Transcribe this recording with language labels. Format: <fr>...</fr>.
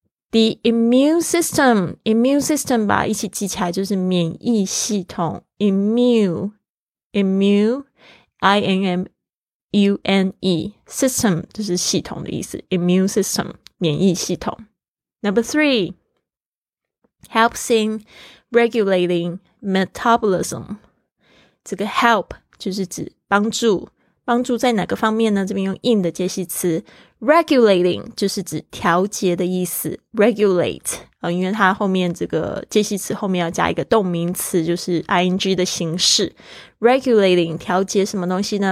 <zh>The immune system 吧，一起记起来就是免疫系统， immune, I-N-M-U-N-E, system 就是系统的意思， immune system, 免疫系统。</zh> <en>Number three, helps in regulating metabolism.</en> <zh>这个 help 就是指帮助，帮助在哪个方面呢？这边用 in 的介系词， regulating 就是指调节的意思， regulate,因为它后面这个介系词后面要加一个动名词，就是 ing 的形式， regulating 调节什么东西呢？</zh>